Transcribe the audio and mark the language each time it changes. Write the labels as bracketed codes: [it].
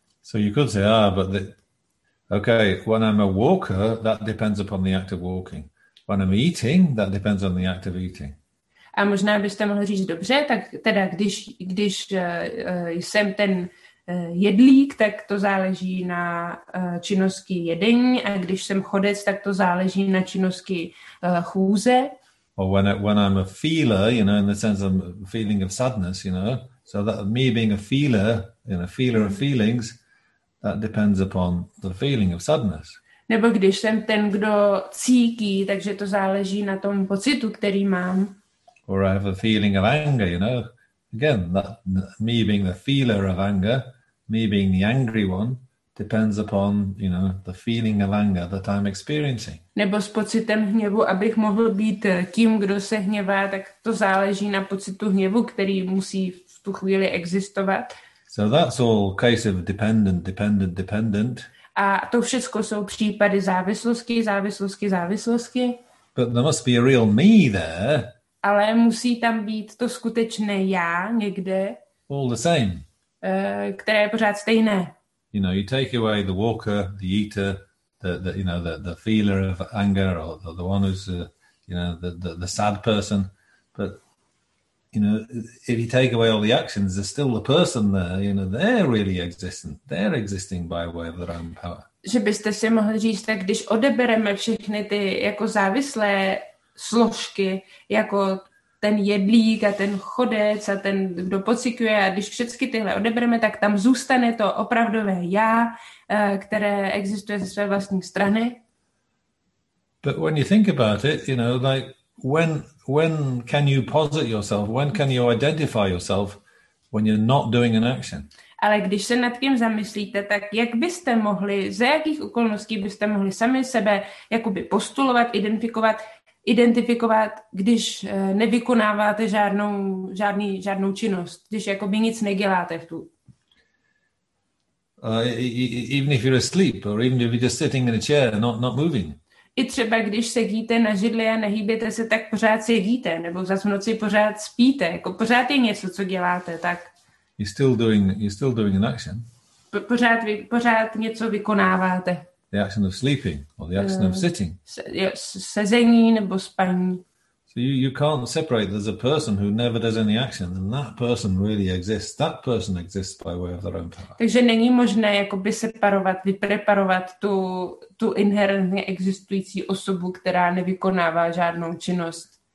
[en] So you could say, okay, when I'm a walker, that depends upon the act of walking. When I'm eating, that depends on the act of eating. [cs] A možná byste mohli říct, dobře, tak teda když jsem ten jedlík, tak to záleží na činnosti jedení, a když jsem chodec, tak to záleží na činnosti chůze. [en] Or when I'm a feeler, you know, in the sense of feeling of sadness, you know, so that me being a feeler, you know, feeler of feelings, that depends upon the feeling of sadness. [cs] Nebo když jsem ten, kdo cítí, takže to záleží na tom pocitu, který mám. [en] Or I have a feeling of anger, you know. Again, that me being the feeler of anger, me being the angry one, depends upon, you know, the feeling of anger that I'm experiencing. [cs] Nebo s pocitem hněvu, abych mohl být tím, kdo se hněvá, tak to záleží na pocitu hněvu, který musí v tu chvíli existovat. [en] So that's all case of dependent. [cs] A to všechno jsou případy závislosti. [en] But there must be a real me there. [cs] Ale musí tam být to skutečné já někde. [en] All the same. [cs] Které je pořád stejné. [en] You know, you take away the walker, the eater, the you know, the feeler of anger, or the one who's you know, the sad person, but you know, if you take away all the actions, there's still the person there, you know, they're really existent. They're existing by way of their own power. [cs] Že byste si mohli říct, tak když odebereme všechny ty jako závislé složky, jako ten jedlík a ten chodec a ten, kdo pociťuje, a když všechny tyhle odebereme, tak tam zůstane to opravdové já, které existuje ze své vlastní strany. [en] But when you think about it, you know, like when can you posit yourself, when can you identify yourself when you're not doing an action? [cs] Ale když se nad tím zamyslíte, tak jak byste mohli, za jakých okolností byste mohli sami sebe jakoby postulovat, identifikovat, když nevykonáváte žádnou činnost, když jakoby nic neděláte v tu. [en] Even if you're asleep, or even if you're just sitting in a chair, not moving. [cs] I třeba když sedíte na židli a nehýbete se, tak pořád sedíte, nebo zas v noci pořád spíte, jako pořád je něco, co děláte, tak. [en] You're still doing an action. [cs] Pořád něco vykonáváte. [en] The action of sleeping or the action of sitting. [cs] Sezení nebo spaní. [en] So you can't separate. There's a person who never does any action, and that person really exists. That person exists by way of their own power. [cs] Takže není možné jakoby separovat, vypreparovat tu inherentně existující osobu, která nevykonává žádnou činnost.